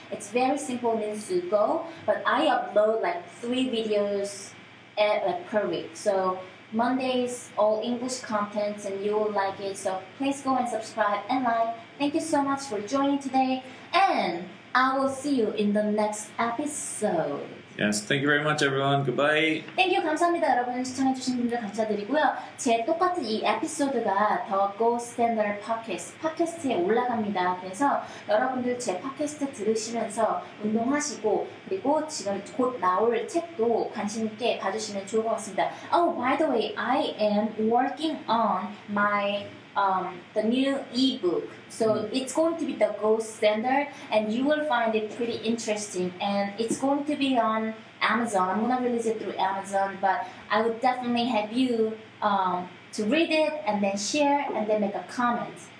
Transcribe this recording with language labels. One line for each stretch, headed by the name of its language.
English: It's very simple, Minsugo, but I upload like 3 videos per week. So Mondays, all English content, and you will like it. So please go and subscribe and like. Thank you so much for joining today, and I will see you in the next episode. Yes, thank you very much, everyone. Goodbye. Thank you.
Korean: 감사합니다, 여러분. 시청해주신 분들 감사드리고요. 제 똑같은 이 에피소드가 더 Go Standard Podcast 팟캐스트에 올라갑니다. 그래서 여러분들 제 팟캐스트 들으시면서 운동하시고 그리고 지금 곧 나올 책도 관심 있게 봐주시면 좋을 것 같습니다.
English: Oh, by the way, I am working on my the new ebook. So it's going to be the Gold Standard, and you will find it pretty interesting. And it's going to be on Amazon. I'm gonna release it through Amazon, but I would definitely have you to read it and then share and then make a comment.